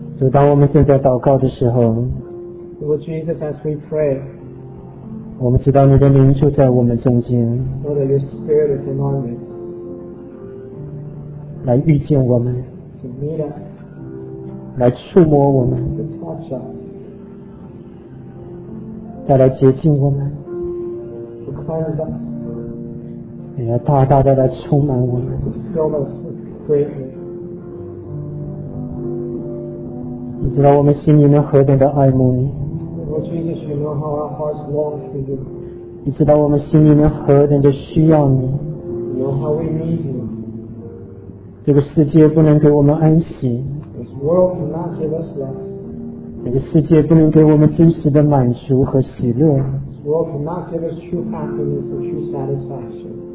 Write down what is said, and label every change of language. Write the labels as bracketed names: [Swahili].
[Chinese] 当我们正在祷告的时候， [English] Lord Jesus, as we pray, [Chinese] 我们知道你的灵就在我们中间， [English] Lord, your spirit is in our midst, [Chinese] 来遇见我们， [English] to meet us, [Chinese] 来触摸我们， [English] to touch us, [Chinese] 再来洁净我们， [English] to cleanse us, [Chinese] 也要大大的来充满我们， [English] to fill us with greatness, [Chinese] 你知道我们心里面何等的爱慕你。 [English] Lord Jesus, you know how our hearts long for you. [Chinese] 你知道我们心里面何等的需要你。 [English] You know how we need you. [Chinese] 这个世界不能给我们安息。 [English] This world cannot give us rest. [Chinese] 这个世界不能给我们真实的满足和喜乐。 [English] This world cannot give us true happiness and true satisfaction.